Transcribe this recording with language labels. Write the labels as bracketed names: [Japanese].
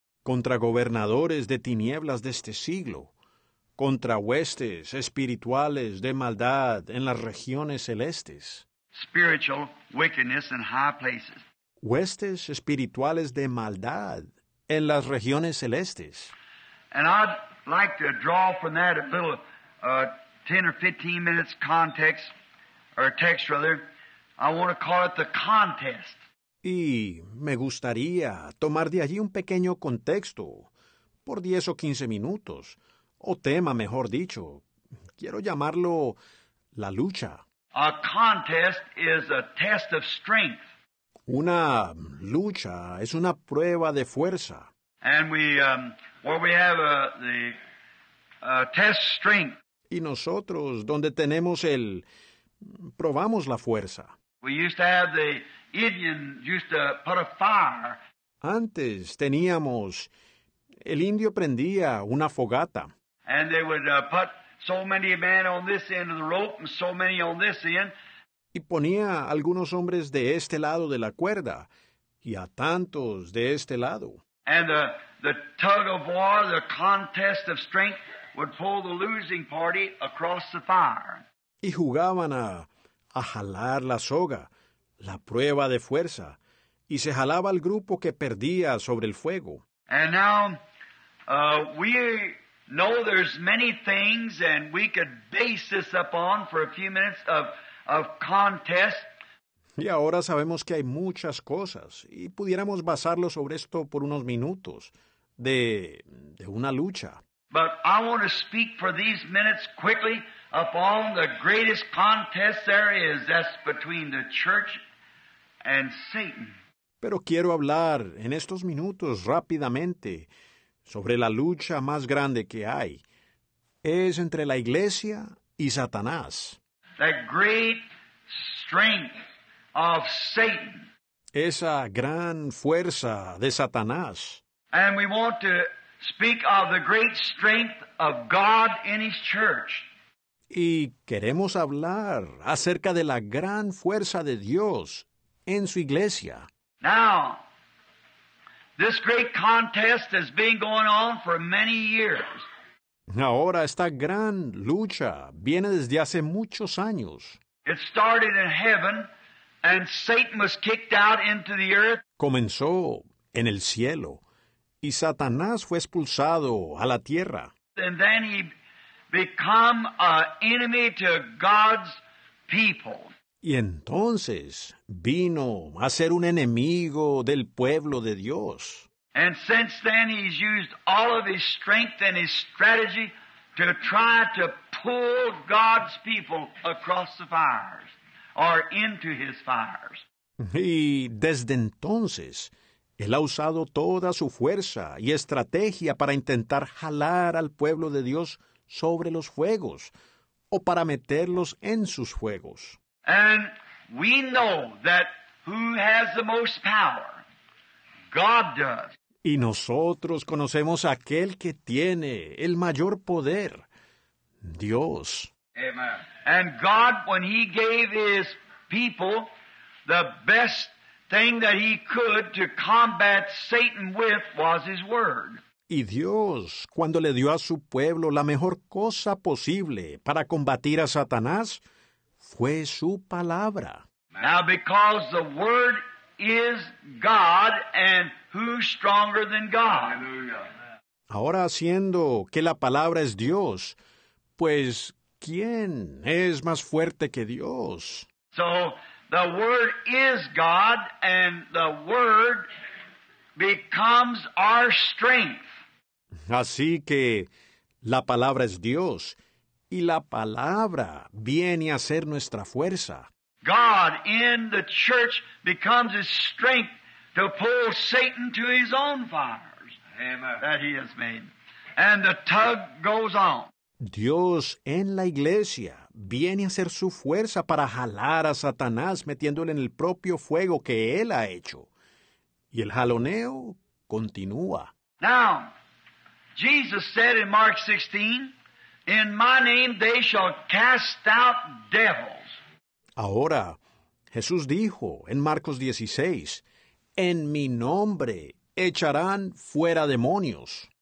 [Spanish] Contra gobernadores de tinieblas de este siglo, contra huestes espirituales de maldad en las regiones celestes. [English] Spiritual wickedness in high places. [Spanish] Huestes espirituales de maldad en las regiones celestes. [English] And I'd like to draw from that a little 10 or 15 minutes context. Or text, rather. I want to call it the contest. [Spanish] Y me gustaría tomar de allí un pequeño contexto, por 10 o 15 minutos, o tema, mejor dicho. Quiero llamarlo la lucha. [English] A contest is a test of strength. [Spanish] Una lucha es una prueba de fuerza. [English] And we have the test strength. [Spanish] Y nosotros, donde tenemos el... probamos la fuerza. [English] We used to have the Indians used to put a fire. [Spanish] Antes teníamos, el indio prendía una fogata. [English] And they would put so many men on this end of the rope and so many on this end. [Spanish] Y ponía algunos hombres de este lado de la cuerda y a tantos de este lado. [English] And the tug of war, the contest of strength, would pull the losing party across the fire. [Spanish] Y jugaban a jalar la soga, la prueba de fuerza, y se jalaba al grupo que perdía sobre el fuego. [English] And now, we know there's many things, and we could base this upon for a few minutes of contest. [Spanish] Y ahora sabemos que hay muchas cosas, y pudiéramos basarlo sobre esto por unos minutos, de una lucha. [English] But I want to speak for these minutes quickly upon the greatest contest there is, that's between the church and Satan. [Spanish] Pero quiero hablar en estos minutos rápidamente sobre la lucha más grande que hay. Es entre la iglesia y Satanás. [English] The great strength of Satan. [Spanish] Esa gran fuerza de Satanás. [English] And we want to speak of the great strength of God in His church. [Spanish] Y queremos hablar acerca de la gran fuerza de Dios en su iglesia. [English] Now, this great contest has been going on for many years. [Spanish] Ahora esta gran lucha viene desde hace muchos años. [English] It started in heaven, and Satan was kicked out into the earth. [Spanish] Comenzó en el cielo, y Satanás fue expulsado a la tierra. [English] And then he became an enemy to God's people. [Spanish] Y entonces vino a ser un enemigo del pueblo de Dios. [English] And since then he's used all of his strength and his strategy to try to pull God's people across the fires or into his fires. [Spanish] Y desde entonces él ha usado toda su fuerza y estrategia para intentar jalar al pueblo de Dios sobre los fuegos o para meterlos en sus fuegos. [English] And we know that who has the most power, God does. [Spanish] Y nosotros conocemos a aquel que tiene el mayor poder, Dios. [English] Amen. And God, when he gave his people the best thing that he could to combat Satan with was his word. [Spanish] Y Dios, cuando le dio a su pueblo la mejor cosa posible para combatir a Satanás, fue su palabra. [English] Now, because the word is God, and who's stronger than God? [Spanish] Ahora, siendo que la palabra es Dios, pues, ¿quién es más fuerte que Dios? [English] So, the word is God, and the word becomes our strength. [Spanish] Así que, la palabra es Dios, y la palabra viene a ser nuestra fuerza. [English] God in the church becomes his strength to pull Satan to his own fires. Amen. That he has made. And the tug goes on. [Spanish] Dios en la iglesia viene a ser su fuerza para jalar a Satanás metiéndole en el propio fuego que él ha hecho. Y el jaloneo continúa. [English] Now, Jesus said in Mark 16, "In my name they shall cast out devils." [Spanish] Ahora, Jesús dijo en Marcos 16, "En mi nombre echarán fuera demonios."